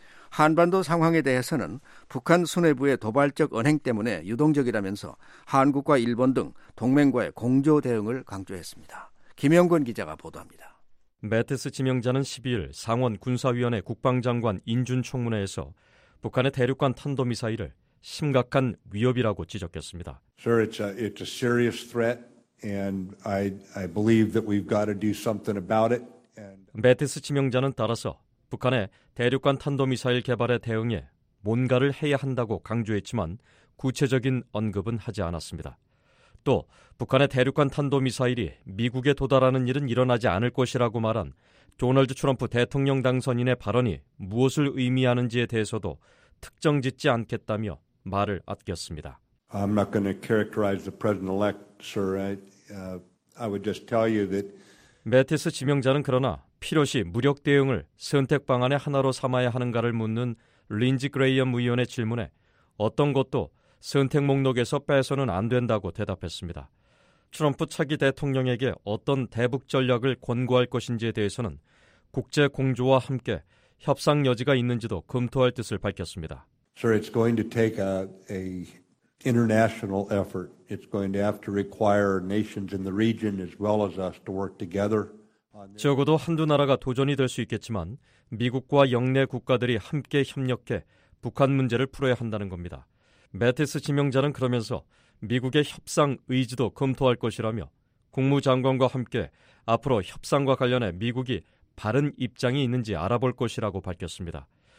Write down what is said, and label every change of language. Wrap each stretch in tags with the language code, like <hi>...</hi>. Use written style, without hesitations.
<ko>한반도 상황에 대해서는 북한 수뇌부의 도발적 언행 때문에 유동적이라면서 한국과 일본 등 동맹과의 공조 대응을 강조했습니다. 김영권 기자가 보도합니다. 매티스 지명자는 12일 상원 군사위원회 국방장관 인준총문회에서 북한의 대륙간 탄도미사일을 심각한 위협이라고 지적했습니다.</ko> <en>Sir, it's a serious threat and I believe that we've got to do something about it.</en> <ko>매티스 지명자는 따라서 북한의 대륙간 탄도미사일 개발에 대응해 뭔가를 해야 한다고 강조했지만 구체적인 언급은 하지 않았습니다. 또 북한의 대륙간 탄도미사일이 미국에 도달하는 일은 일어나지 않을 것이라고 말한 도널드 트럼프 대통령 당선인의 발언이 무엇을 의미하는지에 대해서도 특정 짓지 않겠다며 말을 아꼈습니다.</ko> <en>I'm not going to characterize the president-elect, sir. I would just tell you that</en> <ko>매티스 지명자는 그러나 필요시 무력 대응을 선택 방안의 하나로 삼아야 하는가를 묻는 린지 그레이엄 의원의 질문에 어떤 것도 선택 목록에서 빼서는 안 된다고 대답했습니다. 트럼프 차기 대통령에게 어떤 대북 전략을 권고할 것인지에 대해서는 국제 공조와 함께 협상 여지가 있는지도 검토할 뜻을 밝혔습니다.</ko> <en>Sir, it's going to take an international effort. It's going to have to require nations in the region as well as us to work together.</en> <ko>적어도 한두 나라가 도전이 될 수 있겠지만 미국과 영내 국가들이 함께 협력해 북한 문제를 풀어야 한다는 겁니다. 매티스 지명자는 그러면서 미국의 협상 의지도 검토할 것이라며 국무장관과 함께 앞으로 협상과 관련해 미국이 바른 입장이 있는지 알아볼 것이라고 밝혔습니다.</ko>